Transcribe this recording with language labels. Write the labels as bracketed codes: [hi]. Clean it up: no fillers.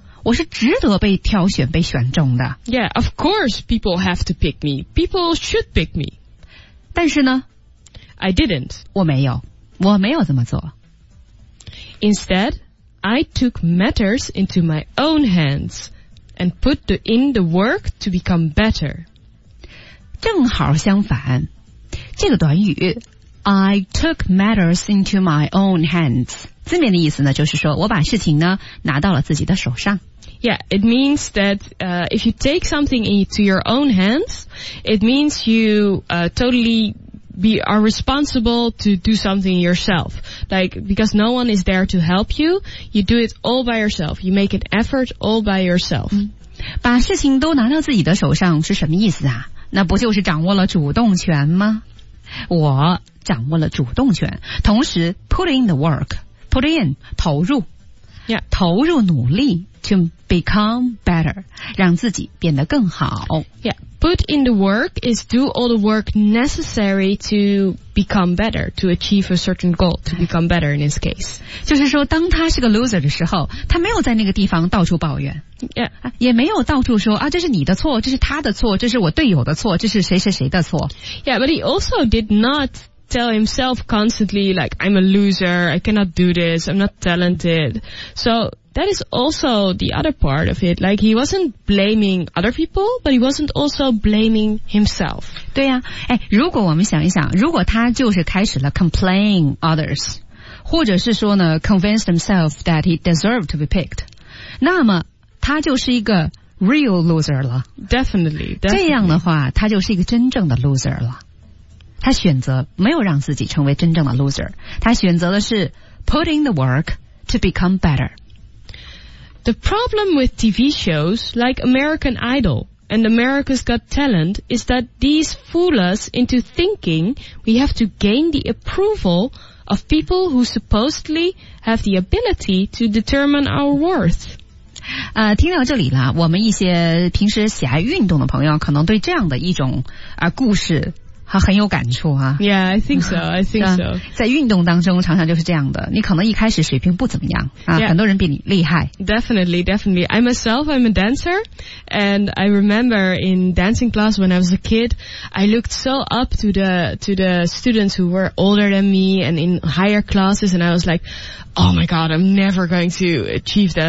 [zh] 我是值得被挑选被选中的。 [en] Yeah, of course people have to pick me. People should pick me. [zh] 但是呢 [en] I didn't. [zh] 我没有。我没有这么做。 [en] Instead, I took matters into my own hands and put in the work to become better. [zh] 正好相反。这个短语 [en] I took matters into my own hands. [zh] 字面的意思呢就是说我把事情呢拿到了自己的手上。 [en] Yeah, it means that if you take something into your own hands, it means you totally are responsible to do something yourself. Like, because no one is there to help you, you do it all by yourself. You make an effort all by yourself. [zh] 把事情都拿到自己的手上是什么意思啊？那不就是掌握了主动权吗？我掌握了主动权，同时 [en] put in the work, put in, [zh] 投入。 [en] Yeah. [zh] 投入努力 [en] to become better, [zh] 让自己变得更好。 [en] Yeah, put in the work is do all the work necessary to become better, to achieve a certain goal, to become better in this case. [zh] 就是说当他是个 loser 的时候他没有在那个地方到处抱怨。 [en] Yeah. [zh] 也没有到处说啊这是你的错这是他的错这是我队友的错这是谁谁谁的错。 [en] Yeah, but he also did not tell himself constantly, like, I'm a loser, I cannot do this, I'm not talented. So that is also the other part of it. Like, he wasn't blaming other people, but he wasn't also blaming himself. [zh] 对呀、啊，哎，如果我们想一想，如果他就是开始了 [en] complaining others, [zh] 或者是说呢 [en] convinced himself that he deserved to be picked, [zh] 那么他就是一个 [en] real loser [zh] 了。 [en] Definitely, definitely. [zh] 这样的话，他就是一个真正的 loser 了。他选择没有让自己成为真正的 loser, 他选择的是 [en] put in the work to become better. The problem with TV shows like American Idol and America's Got Talent is that these fool us into thinking we have to gain the approval of people who supposedly have the ability to determine our worth. [zh] 听到这里呢我们一些平时喜爱运动的朋友可能对这样的一种故事很有感触啊。 [en] Yeah, I think so, I think so. [zh] 在运动当中常常就是这样的。你可能一开始水平不怎么样、 [en] yeah. [zh] 很多人比你厉害。 [en] Definitely, definitely. I myself, I'm a dancer, and I remember in dancing class when I was a kid, I looked so up to the students who were older than me and in higher classes, and I was like, oh my god, I'm never going to achieve that.